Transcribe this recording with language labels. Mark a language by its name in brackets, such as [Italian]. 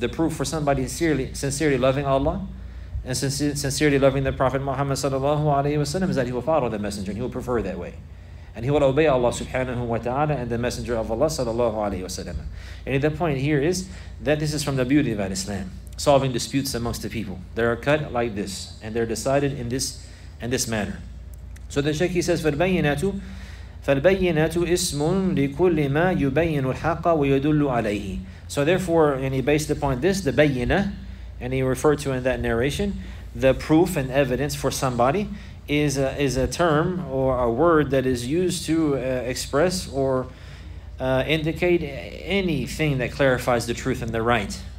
[English] The proof for somebody sincerely loving Allah and sincerely loving the Prophet Muhammad sallallahu alayhi wa sallam is that he will follow the Messenger and he will prefer that way. And he will obey Allah subhanahu wa ta'ala and the Messenger of Allah sallallahu alayhi wa sallam. And the point here is that this is from the beauty of Al-Islam. Solving disputes amongst the people. They are cut like this, and they're decided in this manner. So the Shaykh says, [Arabic] فَالْبَيِّنَاتُ إِسْمٌ لِكُلِّ مَا يُبَيِّنُ الْحَقَّ وَيَدُلُّ عَلَيْهِ. [English] So therefore, and he based upon this, the bayyina, and he referred to in that narration, the proof and evidence for somebody is a term or a word that is used to express or indicate anything that clarifies the truth and the right.